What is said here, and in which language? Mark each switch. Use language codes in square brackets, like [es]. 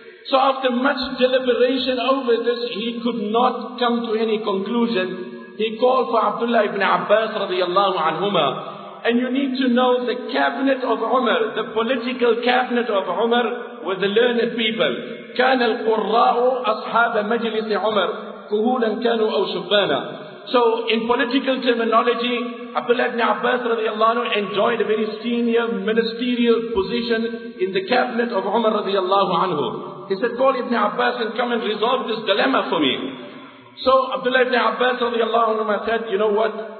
[en] So after much deliberation over this, he could not come to any conclusion. He called for Abdullah ibn Abbas radiallahu anhuma. And you need to know the cabinet of Umar, the political cabinet of Umar, were the learned people. [ar] كان القراء أصحاب مجلس عمر كهولا كانوا أو شبانا. [en] So in political terminology, Abdullah ibn Abbas radiallahu anhu enjoyed a very senior ministerial position in the cabinet of Umar radiallahu anhu. He said, call ibn Abbas and come and resolve this dilemma for me. So Abdullah ibn Abbas radiallahu anhu said, you know what?